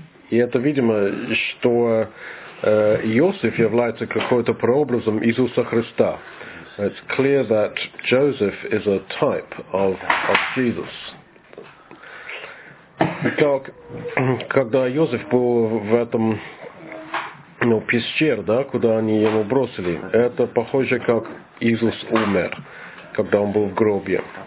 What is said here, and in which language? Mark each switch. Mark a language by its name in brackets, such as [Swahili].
[Russian] И это, видимо, что Иосиф является какой-то прообразом Иисуса Христа. [English] It's clear that Joseph is a type of Jesus. [Russian] Итак, когда Иосиф был в этом, ну, пещере, да, куда они его бросили, это похоже, как Иисус умер, когда он был в гробе.